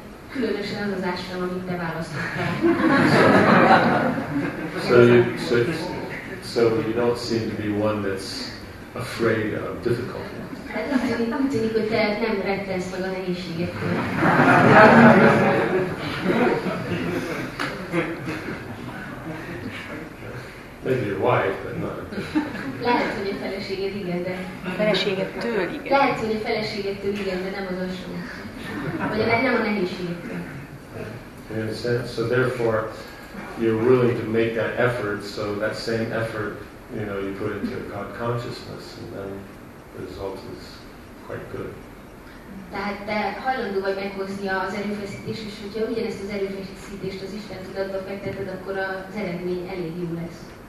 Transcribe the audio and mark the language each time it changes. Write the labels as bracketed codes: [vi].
[hu] Különösen az ashram, amit te választottál. [en] So you don't seem to be one that's afraid of difficulty. [hu] Úgy tűnik, hogy te nem rettensz meg a nehézségektől. [en] Maybe your wife, but not. [hu] Lehet, hogy a feleséged igen, de. A feleségedtől igen. Lehet, hogy a feleségedtől igen, de nem az asszony. Vagy nem a nehézségedtől. [en] You understand? So therefore, you're willing to make that effort, so that same effort, you know, you put into your God consciousness, and then the result is quite good. [hu] Tehát te hajlandó vagy meghozni az erőfeszítést, és hogyha ugyanezt az erőfeszítést az Isten tudatba fekteted, akkor az eredmény elég jó lesz.